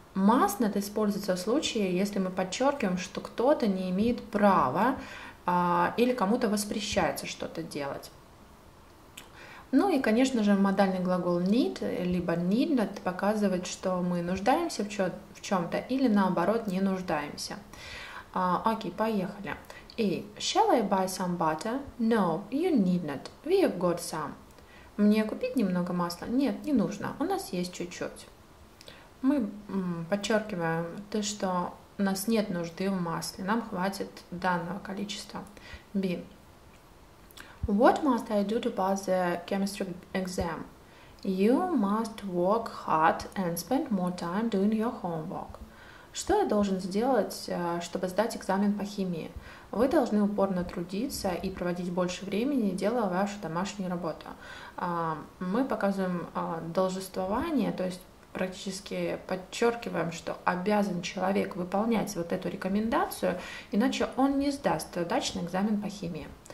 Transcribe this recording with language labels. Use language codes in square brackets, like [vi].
[ru] Must надо использовать в случае, если мы подчеркиваем, что кто-то не имеет права или кому-то воспрещается что-то делать. Ну и, конечно же, модальный глагол need, либо need not, показывает, что мы нуждаемся в чем-то или, наоборот, не нуждаемся. Окей, поехали. [en] И shall I buy some butter? No, you need not. We have got some. [ru] Мне купить немного масла? Нет, не нужно. У нас есть чуть-чуть. Мы подчеркиваем то, что у нас нет нужды в масле, нам хватит данного количества. [en] B. What must I do to pass the chemistry exam? You must work hard and spend more time doing your homework. [ru] Что я должен сделать, чтобы сдать экзамен по химии? Вы должны упорно трудиться и проводить больше времени, делая вашу домашнюю работу. Мы показываем должествование, то есть практически подчеркиваем, что обязан человек выполнять вот эту рекомендацию, иначе он не сдаст удачный экзамен по химии.